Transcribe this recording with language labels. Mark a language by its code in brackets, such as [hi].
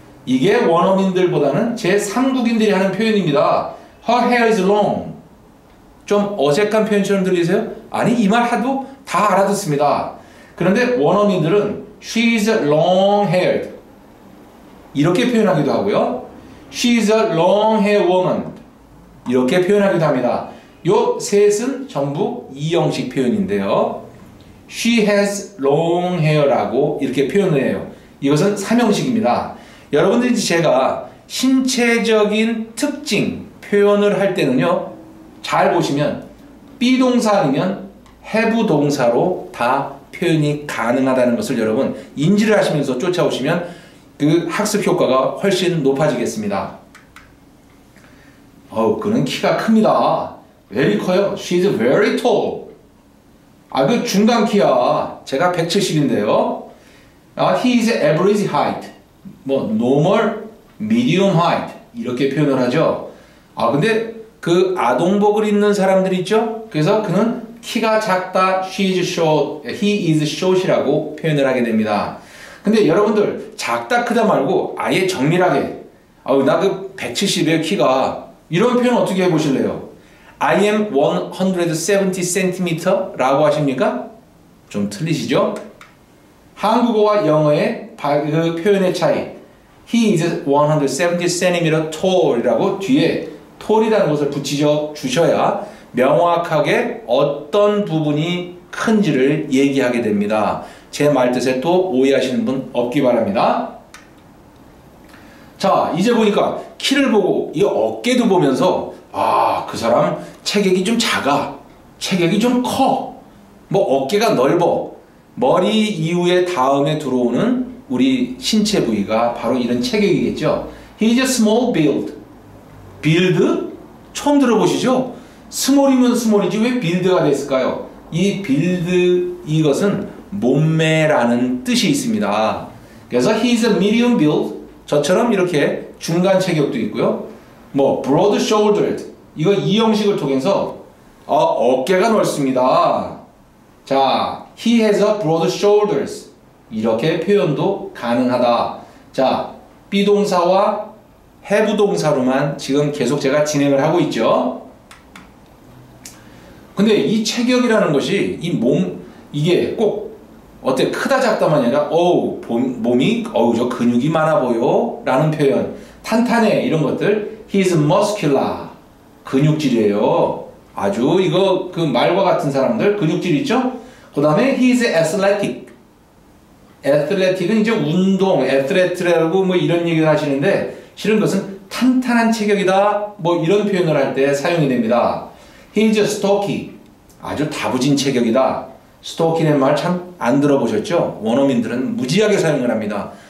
[ko] 이게 원어민들보다는 제 3국인들이 하는 표현입니다. [en] Her hair is long. [ko] 좀 어색한 표현처럼 들리세요? 아니 이 말 하도 다 알아듣습니다. 그런데 원어민들은 [en] She's long-haired [ko] 이렇게 표현하기도 하고요. [en] She's a long-haired woman [ko] 이렇게 표현하기도 합니다. 요 셋은 전부 2형식 표현인데요. [en] She has long hair [ko] 라고 이렇게 표현을 해요. 이것은 3형식입니다. 여러분들 이제 제가 신체적인 특징 표현을 할 때는요. 잘 보시면 be동사 아니면 have동사로 다 표현이 가능하다는 것을 여러분 인지를 하시면서 쫓아오시면 그 학습 효과가 훨씬 높아지겠습니다. 어우, 그는 키가 큽니다. Very 커요. [en] She's very tall. [ko] 아, 그 중간 키야. 제가 170인데요. 아, [en] he is average height. [ko] 뭐, normal, medium height. 이렇게 표현을 하죠. 아, 근데 그 아동복을 입는 사람들이 있죠? 그래서 그는 키가 작다. [en] She is short. He is short [ko] 이라고 표현을 하게 됩니다. 근데 여러분들, 작다, 크다 말고 아예 정밀하게. 아우, 나 그 170에 키가. 이런 표현 어떻게 해보실래요? [en] I am 170cm [ko] 라고 하십니까? 좀 틀리시죠? 한국어와 영어의 그 표현의 차이. [en] He is 170cm tall [ko] 이라고 뒤에 tall이라는 것을 붙이셔 주셔야 명확하게 어떤 부분이 큰지를 얘기하게 됩니다. 제 말 뜻에 또 오해하시는 분 없기 바랍니다. 자, 이제 보니까 키를 보고 이 어깨도 보면서 아, 그 사람 체격이 좀 작아, 체격이 좀 커, 뭐 어깨가 넓어. 머리 이후에 다음에 들어오는 우리 신체 부위가 바로 이런 체격이겠죠. [en] He is a small build. Build? [ko] 처음 들어보시죠? 스몰이면 스몰이지 왜 빌드가 됐을까요? 이 빌드 이것은 몸매라는 뜻이 있습니다. 그래서 [en] He is a medium build. [ko] 저처럼 이렇게 중간 체격도 있고요. 뭐 broad shouldered 이거 이 형식을 통해서 어깨가 넓습니다. [en] 자, he has a broad shoulders [ko] 이렇게 표현도 가능하다. 자, be 동사와 have 동사로만 지금 계속 제가 진행을 하고 있죠. 근데 이 체격이라는 것이 이 몸 이게 꼭 어때 크다 작다만 아니라 어우 몸이 어우 저 근육이 많아 보여 라는 표현 탄탄해 이런 것들 [en] He is muscular. [ko] 근육질이에요. 아주 이거 그 말과 같은 사람들 근육질 있죠? 그 다음에 [en] He is athletic. [ko] Athletic은 이제 운동, athlete라고 뭐 이런 얘기를 하시는데 실은 그것은 탄탄한 체격이다. 뭐 이런 표현을 할 때 사용이 됩니다. [en] He is stocky. [ko] 아주 다부진 체격이다. Stocky는 말 참 안 들어보셨죠? 원어민들은 무지하게 사용을 합니다.